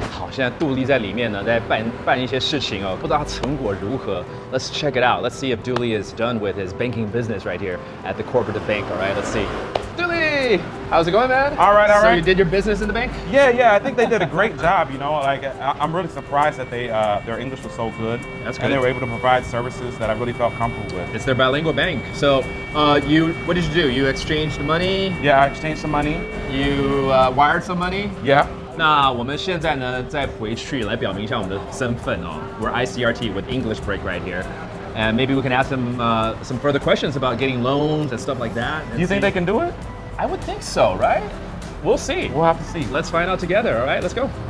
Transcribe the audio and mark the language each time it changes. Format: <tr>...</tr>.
<zh>好，现在杜丽在里面呢，在办一些事情哦，不知道他成果如何。</zh> <en>Let's check it out. Let's see if杜丽 is done with his banking business right here at the corporate bank. All right, let's see. How's it going, man? All right. So you did your business in the bank? Yeah. I think they did a great job. You know, like I'm really surprised that their English was so good. That's good. And they were able to provide services that I really felt comfortable with. It's their bilingual bank. So, what did you do? You exchanged money? Yeah, I exchanged some money. You wired some money? Yeah.</en> <zh>那我们现在呢，再回去来表明一下我们的身份哦。</zh> <en>We're ICRT with English break right here. And maybe we can ask them some further questions about getting loans and stuff like that. Do you think they can do it? I would think so, right? We'll see. We'll have to see. Let's find out together, all right? Let's go.</en>